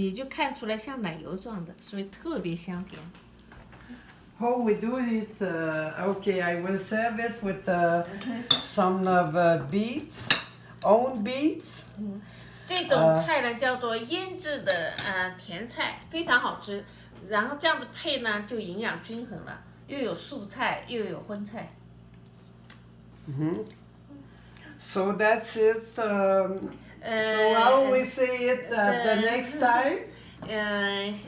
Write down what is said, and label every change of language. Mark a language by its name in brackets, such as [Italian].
[Chinese] 底下这一层呢是牛肉，中间这一层呢是玉米，两种玉米混合，最上面一层呢就是那个土豆泥，但是呢它加了一点鲜露，你就看出来像奶油状的，所以特别香甜。 [English] How we do it? Okay, I will serve it with some of beets. Own beets. [Chinese] 这种菜呢叫做腌制的甜菜，非常好吃。然后这样子配呢，就营养均衡了，又有素菜，又有荤菜。So [English] that's it. So how we say it the next time?